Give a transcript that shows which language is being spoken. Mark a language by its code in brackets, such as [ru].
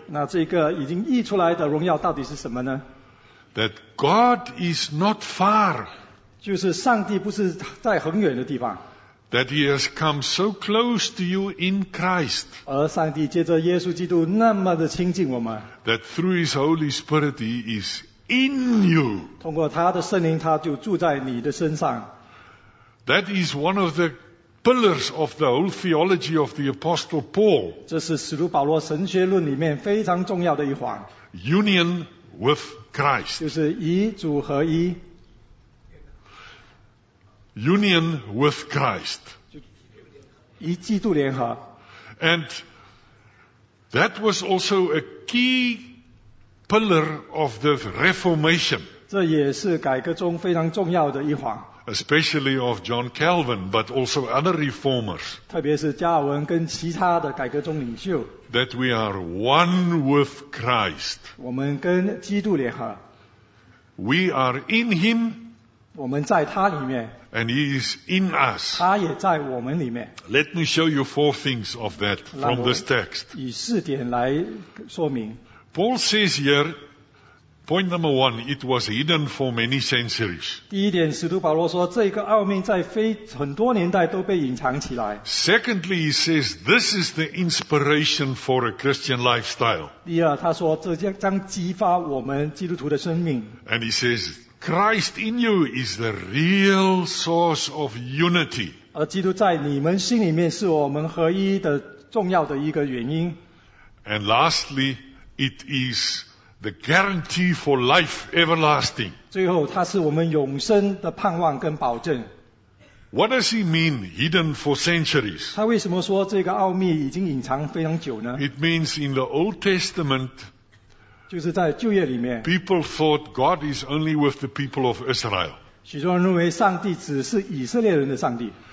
[zh] 那这个已经溢出来的荣耀到底是什么呢？ [en] That God is not far. [zh] 就是上帝不是在很远的地方。 [en] That He has come so close to you in Christ. [zh] 而上帝借着耶稣基督那么的亲近我们。 [en] That through His Holy Spirit He is in you. [zh] 通过他的圣灵，他就住在你的身上。 [en] That is one of the pillars of the whole theology of the Apostle Paul. [zh] 这是使徒保罗神学论里面非常重要的一环。 [en] Union with Christ. [zh] 就是以主合一。 [en] Union with Christ. [zh] 以基督联合。 [en] And that was also a key pillar of the Reformation. [zh] 这也是改革中非常重要的一环。 [en] Especially of John Calvin, but also other reformers. [zh] 特别是加尔文跟其他的改革中领袖。 [en] That we are one with Christ. [zh] 我们跟基督联合。 [en] We are in Him. [zh] 我们在他里面。 [en] And He is in us. [zh] 他也在我们里面。 [en] Let me show you four things of that from this text. [zh] 以四点来说明。 [en] Paul says here, point number one, it was hidden for many centuries. [zh] 第一点，使徒保罗说，这个奥秘在很多年代都被隐藏起来。 [en] Secondly, he says, this is the inspiration for a Christian lifestyle. [zh] 第二，他说，这将激发我们基督徒的生命。 [en] And he says, Christ in you is the real source of unity. [zh] 而基督在你们心里面是我们合一的重要的一个原因。 [en] And lastly, it is the guarantee for life everlasting. [zh] 最后，它是我们永生的盼望跟保证。 [en] What does he mean, hidden for centuries? [zh] 他为什么说这个奥秘已经隐藏非常久呢？ [en] It means in the Old Testament, [zh] 就是在旧约里面， [en] people thought God is only with the people of Israel. [zh] 许多人认为上帝只是以色列人的上帝。